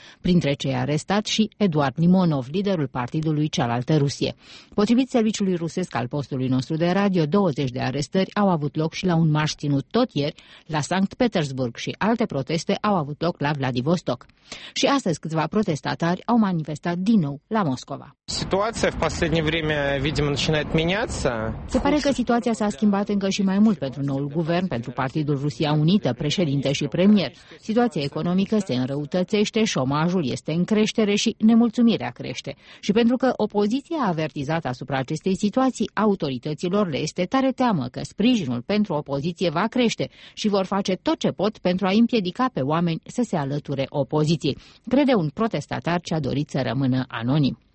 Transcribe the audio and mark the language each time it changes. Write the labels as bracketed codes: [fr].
[ro] Printre cei arestați și Eduard Limonov, liderul partidului Cealaltă Rusie. Potrivit serviciului rusesc al postului nostru de radio, 20 de arestări au avut loc și la un marș ținut tot ieri la Sankt Petersburg și alte proteste au avut loc la Vladivostok. Și astăzi câțiva protestatari au manifestat din nou la Moscova. [ru] Situația în последнее время, видимо, начинает меняться. [ro] Se pare că situația s-a schimbat încă și mai mult pentru noul guvern, pentru Partidul Rusia Unită, președinte și premier. Situația economică se înrăutățește, șomajul este în creștere și nemulțumirea crește. Și pentru că opoziția a avertizat asupra acestei situații, autorităților le este tare teamă că sprijinul pentru opoziție va crește și vor face tot ce pot pentru a împiedica pe oameni să se alăture opoziției, crede un protestatar ce a dorit să rămână anonim.